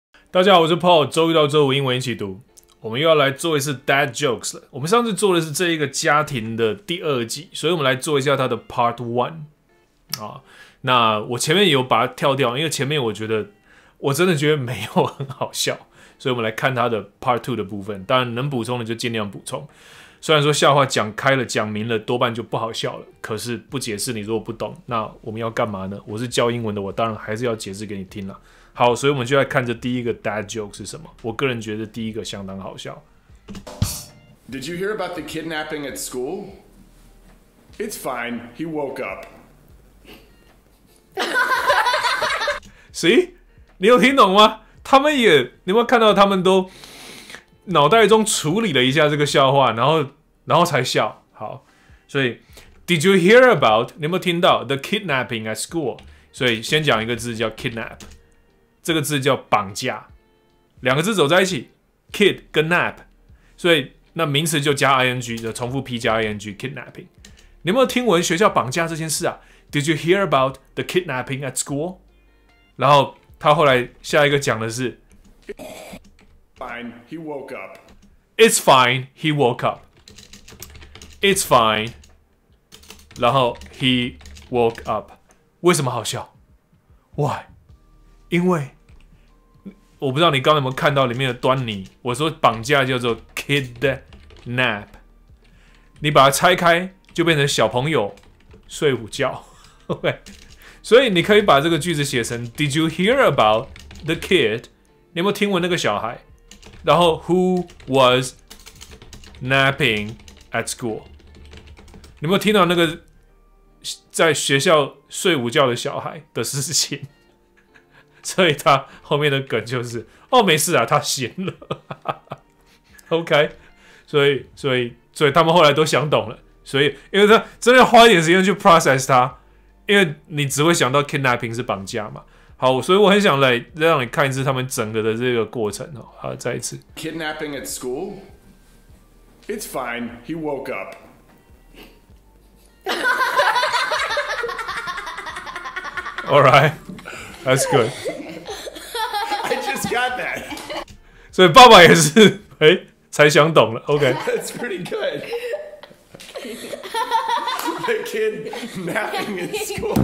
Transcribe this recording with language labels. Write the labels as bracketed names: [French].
[Chinese] 大家好，我是 Paul， 周一到周五英文一起读，我们又要来做一次 Dad Jokes 了。我们上次做的是这一个家庭的第二季，所以我们来做一下它的 Part 1、啊、那我前面有把它跳掉，因为前面我真的觉得没有很好笑，所以我们来看它的 Part 2的部分，当然能补充的就尽量补充。虽然说笑话讲开了讲明了多半就不好笑了，可是不解释你如果不懂，那我们要干嘛呢？我是教英文的，我当然还是要解释给你听啦。好，所以我们就来看这第一个 dad joke 是什么。我个人觉得第一个相当好笑。 [English] Did you hear about the kidnapping at school? It's fine. He woke up. [Chinese] See? 你有听懂吗？他们也，你有没有看到他们都脑袋中处理了一下这个笑话，然后才笑。好，所以 [English] Did you hear about? [Chinese] 你有没有听到 [English] the kidnapping at school? [Chinese] 所以先讲一个字叫 kidnap。这个字叫绑架，两个字走在一起 ，kid 跟 nap， 所以那名词就加 ing， 就重复 p 加 ing kidnapping。你有没有听闻学校绑架这件事啊 ？ [English] Did you hear about the kidnapping at school？ [Chinese] 然后他后来下一个讲的是 [English] ，fine he woke up， it's fine he woke up， it's fine， 然后 he woke up， [Chinese] 为什么好笑 [English] ？Why？ [Chinese] 因为我不知道你刚刚有没有看到里面的端倪。我说绑架叫做 kidnap， 你把它拆开就变成小朋友睡午觉。 [English] Okay. [Chinese] 所以你可以把这个句子写成 [English] Did you hear about the kid？ [Chinese] 你有没有听闻那个小孩？ [English] 然后 Who was napping at school？ [Chinese] 你有没有听到那个在学校睡午觉的小孩的事情？所以他后面的梗就是哦，没事啊，他闲了。 OK， 所以他们后来都想懂了，所以因为他真的要花一点时间去 process 他，因为你只会想到 kidnapping 是绑架嘛。好，所以我很想来让你看一次他们整个的这个过程哦。好，再一次 [English] kidnapping at school， it's fine， he woke up 。 All right。 That's good. I just got that. [Chinese] 所以爸爸也是哎，才想懂了。 [English] OK. That's pretty good. The kid napping in school.